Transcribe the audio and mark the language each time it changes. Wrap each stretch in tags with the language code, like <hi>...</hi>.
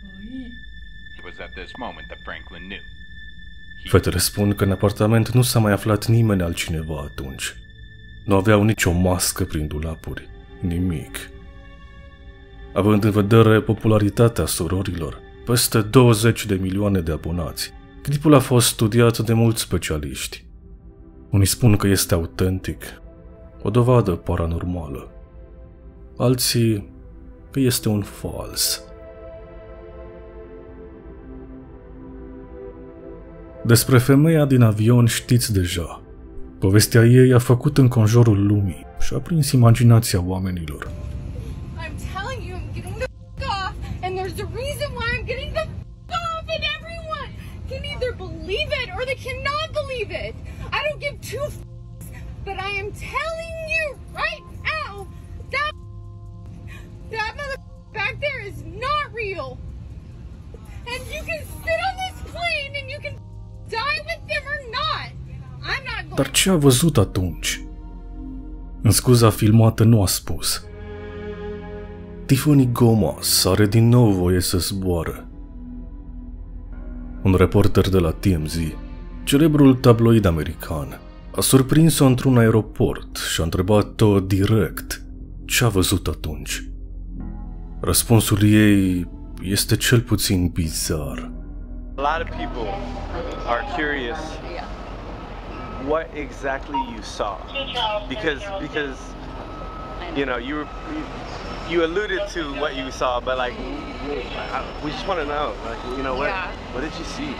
<en>It was at this moment that Franklin knew.</en> <ro>Fetele spun că în apartament nu s-a mai aflat nimeni altcineva atunci. Nu aveau nicio mască prin dulapuri, nimic. Având în vedere popularitatea surorilor, peste 20 de milioane de abonați, clipul a fost studiat de mulți specialiști. Unii spun că este autentic, o dovadă paranormală. Alții că este un fals. Despre femeia din avion știți deja. Povestea ei a făcut înconjurul lumii și a prins imaginația oamenilor.</ro> <en>I'm telling you, I'm getting the f*** off and there's a reason why I'm getting the f*** off and everyone can either believe it or they cannot believe it. I don't give two f***, but I am telling you right now that that mother back there is not real. And you can sit on this plane and you can die with them or not. I'm not going.</en> <ro>Dar ce a văzut atunci? În scuza filmată nu a spus. Tiffany Gomez are din nou voie să zboare. Un reporter de la TMZ, celebrul tabloid american, a surprins-o într-un aeroport și a întrebat-o direct ce a văzut atunci. Răspunsul ei este cel puțin bizar.</ro> <en>A lot of people are curious what exactly you saw. Because you know, you alluded to what you saw, but like we just want to know, like, you know, what did you see?</en>